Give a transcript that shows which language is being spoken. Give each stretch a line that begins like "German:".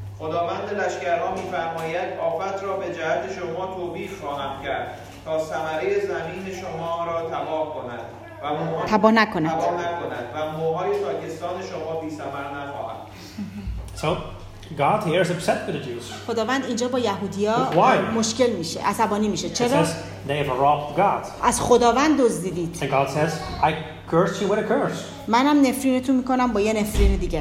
Persian: خداوند لشکرها می فرماید آفت را به جهت شما توبیخ خواهم کرد تا ثمره زمین شما را تباه کند و تباه نکند و موهای تاکستان شما بی ثمر نخواهد.
English: God here is upset with the Jews.
Persian: خداوند اینجا با یهودیا مشکل میشه، عصبانی میشه. چرا؟
English: They have robbed God.
Persian: از خداوند دزدیدید.
English: And God says, I curse you with a curse.
Persian: منم نفرینتون میکنم با یه نفرین دیگه.